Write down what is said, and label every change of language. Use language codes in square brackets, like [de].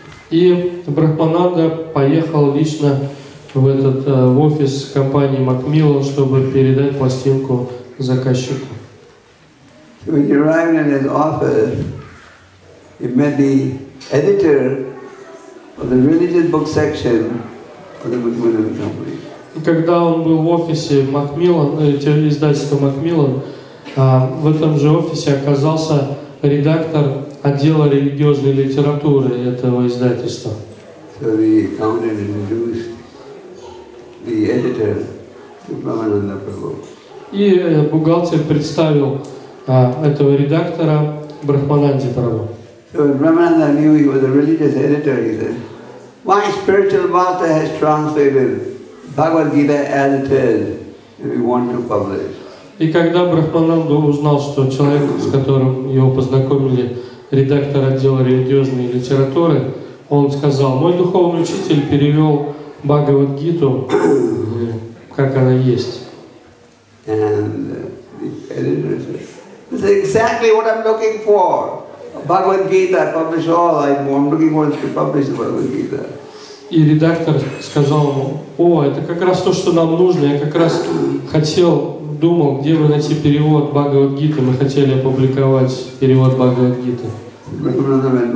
[ru] И Брахмананда поехал лично в офис компании Macmillan, чтобы передать пластинку заказчику. [en] When he arrived in his office, he met the editor of the religious book section of the Macmillan Company. [ru] когда он был в офисе Макмиллан, издательства Макмиллан, в этом же офисе оказался редактор отдела религиозной литературы этого издательства. [en] So he came and introduced the editor to Brahmananda Prabhu. [ru] И бухгалтер представил этого редактора Брахмананде Прабху. [en] So Brahmananda knew he was a religious editor, he said. My spiritual master has translated Bhagavad Gita as it is, and we want to publish. [ru] И когда Брахмананда узнал, что человек, с которым его познакомили, редактор отдела религиозной литературы, он сказал, мой духовный учитель перевел Бхагавад-гиту, как она есть. [en] And the editor said, this is exactly what I'm looking for. Bhagavad-gita, publish all. I'm looking for to publish the Bhagavad-gita. [ru] И редактор сказал ему, о, это как раз то, что нам нужно. Я как раз хотел, думал, где бы найти перевод Бхагавад-гиты. Мы хотели опубликовать перевод Бхагавад-гиты.